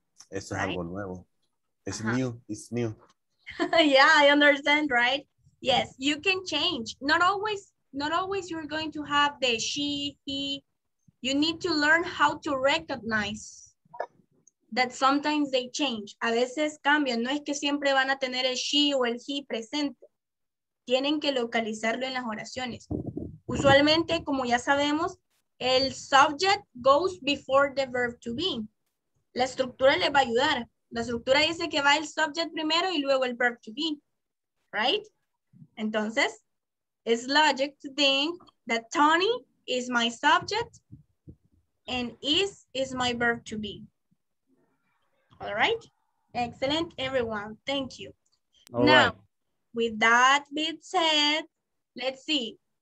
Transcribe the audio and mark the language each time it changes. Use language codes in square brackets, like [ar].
[en] Eso right? [es] Es algo nuevo. [en] It's new, it's new. Yeah, I understand, right? Yes, you can change. Not always you're going to have the she, he. You need to learn how to recognize that sometimes they change. [es] A veces cambian. No es que siempre van a tener el she o el he presente. Tienen que localizarlo en las oraciones. Usualmente, como ya sabemos, el [en] subject goes before the verb to be. [es] La estructura les va a ayudar. La estructura dice que va el subject primero y luego el verb to be. [en] Right? Entonces, it's logic to think that Tony is my subject. And is my verb to be. All right. Excellent, everyone. Thank you. With that being said, let's see.